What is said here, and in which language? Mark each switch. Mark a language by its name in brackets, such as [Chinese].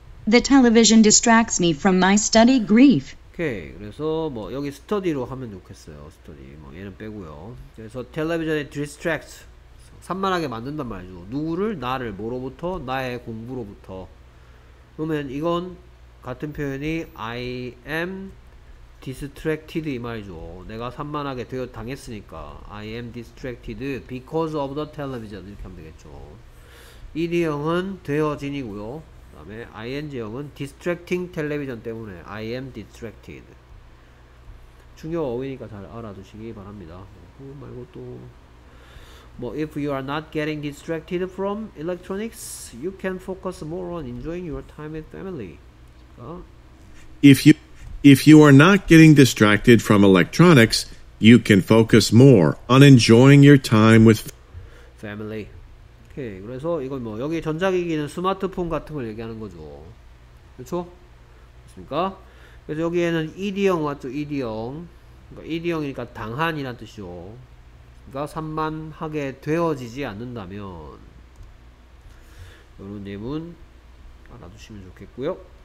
[English] The television distracts me from my study grief. [Korean] 오케이. 그래서 뭐 여기 스터디로 하면 좋겠어요. 스터디. 뭐 얘는 빼고요. 그래서 텔레비전이 distracts. 산만하게 만든단 말이죠. 누구를? 나를. 뭐로부터? 나의 공부로부터. 그러면 이건 같은 표현이 I am distracted 이 말이죠. 내가 산만하게 되어 당했으니까 I am distracted because of the television 이렇게 하면 되겠죠. 1형은 되어진이고요. 그 다음에 ing형은 distracting 텔레비전 때문에 I am distracted. 중요 어휘니까 잘 알아두시기 바랍니다. [English] 그거 말고 또 뭐 if you are not getting distracted from electronics you can focus more on enjoying your time with family. [Korean] 그러니까 [English] if you are not getting distracted from electronics you can focus more on enjoying your time with family. 오케이. [Korean] 그래서 이건 뭐 여기 전자기기는 스마트폰 같은 걸 얘기하는 거죠. 그렇죠? 그렇습니까? 그래서 여기에는 ED형 왔죠. ED형. 그러니까 ED형이니까 당한이란 뜻이죠. 그러니까 산만하게 되어지지 않는다면 이런 예문 알아두시면 좋겠고요.